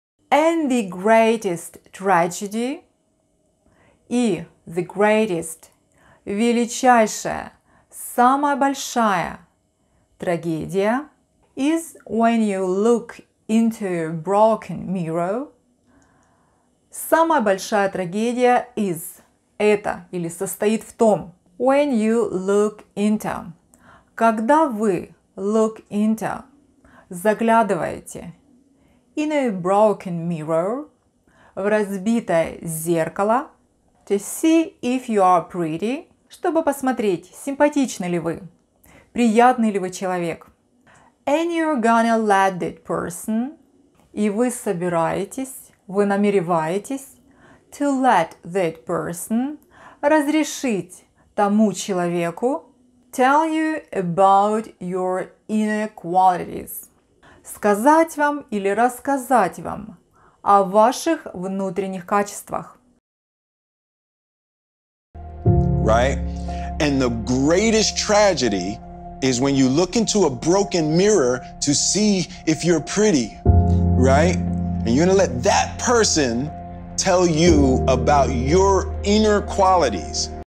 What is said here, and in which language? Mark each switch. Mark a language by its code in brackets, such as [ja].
[en] And the greatest tragedy, и the greatest, [ru] величайшая, самая большая трагедия, [en] is when you look into a broken mirror. [ru] Самая большая трагедия [en] is, [ru] это или состоит в том, [en] when you look into, [ru] когда вы [en] look into, [ru] заглядываете, [en] in a broken mirror, [ru] в разбитое зеркало, [en] to see if you are pretty, [ru] чтобы посмотреть, симпатичны ли вы, приятный ли вы человек. [en] And you're gonna let that person, [ru] и вы собираетесь, вы намереваетесь, [en] to let that person, [ru] разрешить тому человеку, [en] tell you about your inner qualities. [ru] Сказать вам или рассказать вам о ваших внутренних качествах. [en] Right? And the greatest tragedy is when you look into a broken mirror to see if you're pretty, right? And you're gonna let that person tell you about your inner qualities.